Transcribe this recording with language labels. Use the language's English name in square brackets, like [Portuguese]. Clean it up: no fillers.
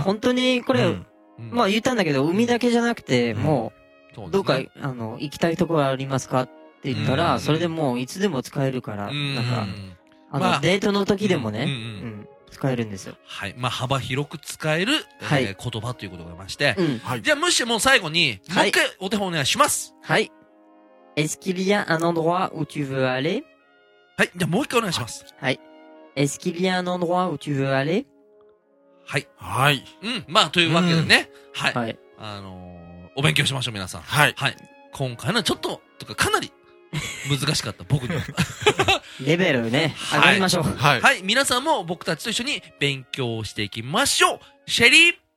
[Japanese] 本当にこれ、うん、まあ言ったんだけど、海だけじゃなくて、うん、もう、どっか、ね、行きたいところありますかって言ったら、うん、それでもういつでも使えるから、うん、なんか、まあ、デートの時でもね、うんうんうんうん、使えるんですよ。はい。まあ、幅広く使える、はい、言葉ということがまして。うん、はい。じゃあ、むしろもう最後に、もう一回お手本お願いします。はい。 [French] Est-ce qu'il y a un endroit où tu veux aller? [Japanese] はい。じゃあ、もう一回お願いします。はい。 [French] Est-ce qu'il y a un endroit où tu veux aller? [Japanese] はい。はい。うん。まあ、というわけでね。はい。はい。お勉強しましょう、皆さん。はい。はい。今回のちょっと、とか、かなり、難しかった、僕には。レベルね、はい、上がりましょう、はい。はい。はい。皆さんも僕たちと一緒に勉強していきましょう。シェリー、